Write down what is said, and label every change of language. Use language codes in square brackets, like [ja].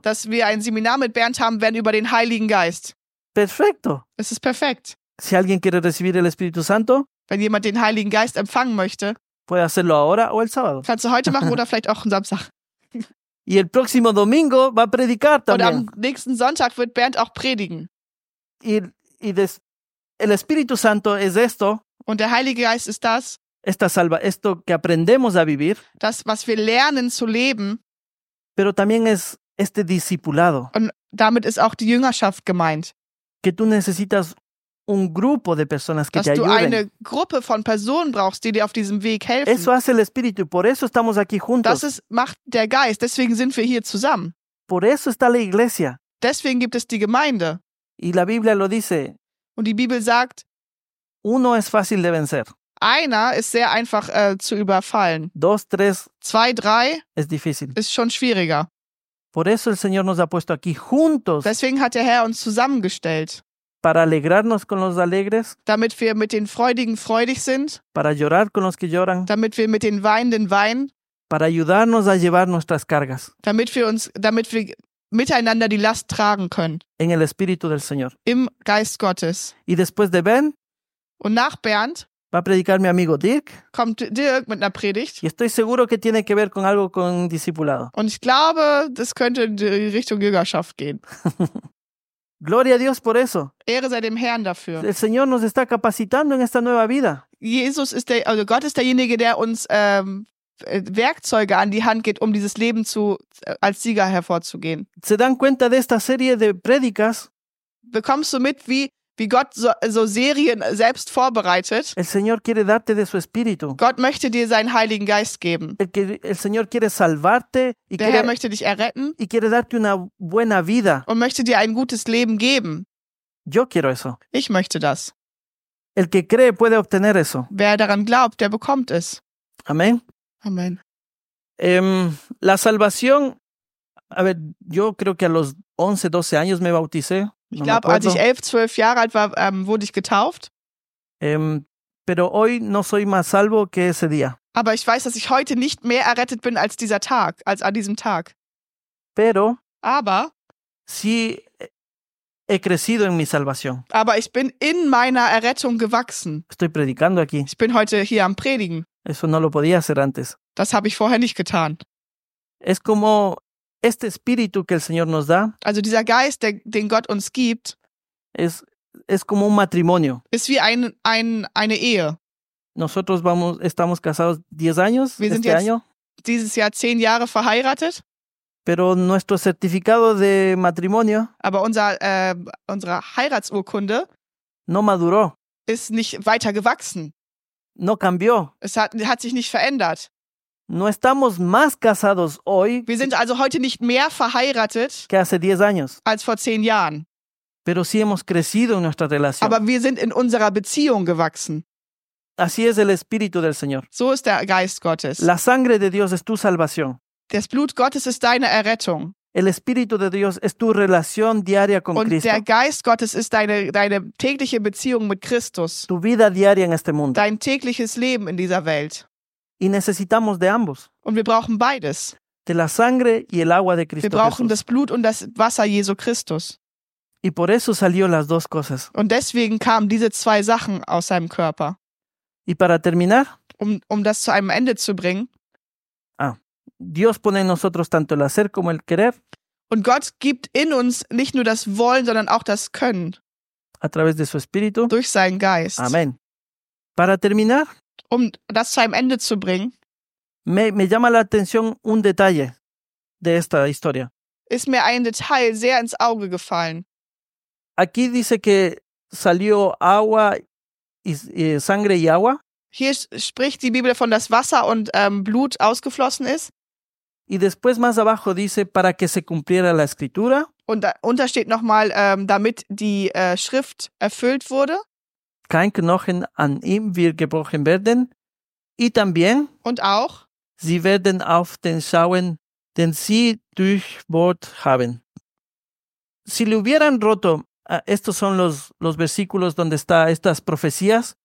[de] Dass wir ein Seminar mit Bernd haben werden über den Heiligen Geist. [es] Perfecto. [de] Es ist perfekt. [es] Si alguien quiere recibir el Espíritu Santo, [de] wenn jemand den Heiligen Geist empfangen möchte, [es] puede hacerlo ahora o el sábado. [de] Kannst du heute machen oder vielleicht auch am Samstag. [es] Y el próximo domingo va a predicar también. [de] Und am nächsten Sonntag wird Bernd auch predigen. [es] El Espíritu Santo es esto. [de] Und der Heilige Geist ist das. [es] Esta salva, esto que aprendemos a vivir. [de] Das, was wir lernen zu leben. [es] Pero también es este discipulado. [de] Und damit ist auch die Jüngerschaft gemeint. [es] Que tú necesitas un grupo de personas que [de] dass [es] te ayuden. [de] Dass du eine Gruppe von Personen brauchst, die dir auf diesem Weg helfen. [es] Eso hace el Espíritu, por eso estamos aquí juntos. [de] Das macht der Geist, deswegen sind wir hier zusammen. [es] Por eso está la iglesia. [de] Deswegen gibt es die Gemeinde. [es] Y la Biblia lo dice. [de] Und die Bibel sagt, [es] uno es fácil de vencer. [de] Einer ist sehr einfach zu überfallen. [es] Dos, tres. [de] Zwei, drei. [es] Es difícil. [de] Ist schon schwieriger. [es] Por eso el Señor nos ha puesto aquí juntos. [de] Deswegen hat der Herr uns zusammengestellt. [es] Para alegrarnos con los alegres. [de] Damit wir mit den Freudigen freudig sind. [es] Para llorar con los que lloran. [de] Damit wir mit den Weinenden weinen. [es] Para ayudarnos a llevar nuestras cargas. [de] Damit wir miteinander die Last tragen können. [es] En el Espíritu del Señor. [de] Im Geist Gottes. [es] Y después de Ben. [de] Und nach Bernd. [es] Va a predicar mi amigo Dirk. [de] Kommt Dirk mit einer Predigt. [es] Y estoy seguro que tiene que ver con algo con discipulado. [de] Und ich glaube, das könnte in die Richtung Jüngerschaft gehen. [es] Gloria a Dios por eso. [de] Ehre sei dem Herrn dafür. [es] El Señor nos está capacitando en esta nueva vida. [de] Jesus ist der, also Gott ist derjenige, der uns Werkzeuge an die Hand gibt, um dieses Leben zu als Sieger hervorzugehen. [es] ¿Se dan cuenta de esta serie de prédicas? [de] Bekommst du mit, wie Gott so Serien selbst vorbereitet? [es] El Señor quiere darte de su Espíritu. [de] Gott möchte dir seinen Heiligen Geist geben. [es] El Señor quiere salvarte. [de] Der Herr möchte dich erretten. [es] Y quiere darte una buena vida. [de] Und möchte dir ein gutes Leben geben. [es] Yo quiero eso. [de] Ich möchte das. [es] El que cree puede obtener eso. [de] Wer daran glaubt, der bekommt es. [es] Amén. Amén. La salvación. A ver, yo creo que a los 11, 12 años me bauticé. [de] Ich glaube, als ich 11, 12 Jahre alt war, wurde ich getauft. [es] Pero hoy no soy más salvo que ese día. [de] Aber ich weiß, dass ich heute nicht mehr errettet bin als dieser Tag, als an diesem Tag. [es] Pero, [de] aber, [es] sí, he crecido en mi salvación. [de] Aber ich bin in meiner Errettung gewachsen. [es] Estoy predicando aquí. [de] Ich bin heute hier am Predigen. [es] Eso no lo podía hacer antes. [de] Das habe ich vorher nicht getan. [es] Es como este espíritu que el Señor nos da, [de] also dieser Geist, den Gott uns gibt, [es] es como un matrimonio. [de] Ist wie eine Ehe. [es] Nosotros estamos casados 10 años año. [de] Wir sind jetzt dieses Jahr 10 Jahre verheiratet. [es] Pero nuestro certificado de matrimonio, [de] aber unsere Heiratsurkunde, [es] no maduró. [de] Ist nicht weiter gewachsen. [es] No cambió. [de] Es hat sich nicht verändert. [es] No estamos más casados hoy. [de] Wir sind also heute nicht mehr verheiratet [es] que hace 10 años. [de] Als vor 10 Jahren. [es] Pero sí hemos crecido en nuestra relación. [de] Aber wir sind in unserer Beziehung gewachsen. [es] Así es el Espíritu del Señor. [de] So ist der Geist Gottes. [es] La sangre de Dios es tu salvación. [de] Das Blut Gottes ist deine Errettung. [es] El Espíritu de Dios es tu relación diaria con Cristo. [de] Und der Geist Gottes ist deine tägliche Beziehung mit Christus. [es] Tu vida diaria en este mundo. [de] Dein tägliches Leben in dieser Welt. [es] Y necesitamos de ambos. [de] Und wir brauchen beides. [es] De la sangre y el agua de Cristo. [de] Wir brauchen Jesus. Das Blut und das Wasser Jesu Christus. [es] Y por eso salió las dos cosas. [de] Und deswegen kamen diese zwei Sachen aus seinem Körper. [es] Y para terminar, [de] um das zu einem Ende zu bringen. [es] Ah, Dios pone en nosotros tanto el hacer como el querer. [de] Und Gott gibt in uns nicht nur das Wollen, sondern auch das Können. [es] A través de su espíritu. [de] Durch seinen Geist. [es] Amen. Para terminar, [de] um das zu einem Ende zu bringen. [es] Me llama la atención un detalle de esta historia. [de] Ist mir ein Detail sehr ins Auge gefallen. [es] Aquí dice que salió agua y sangre y agua. [de] Hier spricht die Bibel davon, dass Wasser und Blut ausgeflossen ist. [es] Y después más abajo dice para que se cumpliera la escritura. [de] Und da untersteht nochmal, damit die Schrift erfüllt wurde. Kein Knochen an ihm wird gebrochen werden. [es] Y también. [de] Und auch. Sie werden auf den schauen, den sie durchbohrt haben. [es] Si le hubieran roto, estos son los versículos donde está estas profecías.